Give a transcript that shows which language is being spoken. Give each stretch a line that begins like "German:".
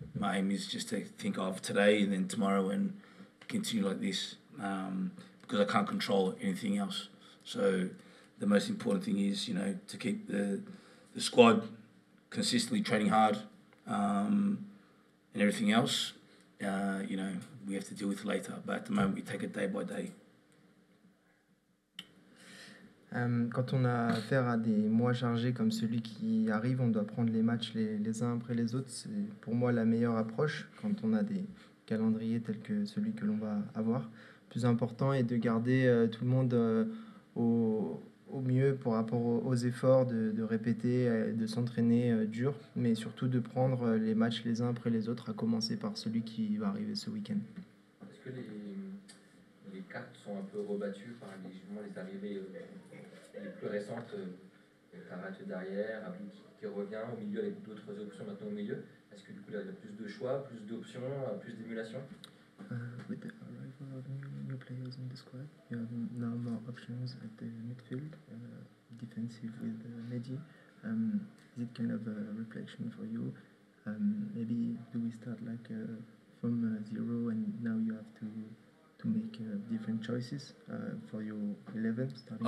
English: My aim is just to think of today and then tomorrow and continue like this, because I can't control anything else. So the most important thing is, you know, to keep the squad consistently training hard, and everything else, you know, we have to deal with later. But at the moment, we take it day by day.
French: Quand on a affaire à des mois chargés comme celui qui arrive, on doit prendre les matchs les uns après les autres. C'est pour moi la meilleure approche quand on a des calendriers tels que celui que l'on va avoir. Le plus important est de garder tout le monde au mieux par rapport aux efforts de répéter, de s'entraîner dur, mais surtout de prendre les matchs les uns après les autres, à commencer par celui qui va arriver ce week-end. Est-ce que les cartes sont un peu rebattues par les arrivées les plus récentes, Tarat derrière, Abdou qui revient au milieu avec d'autres options maintenant au milieu. Est-ce que du coup il y a plus de choix, plus d'options, plus d'émulation?
English: With the arrival of new players in the squad, you have now more options at the midfield, defensive with Mehdi. Is it kind of a reflection for you? Maybe do we start like from zero and now you have to make different choices for your 11 starting?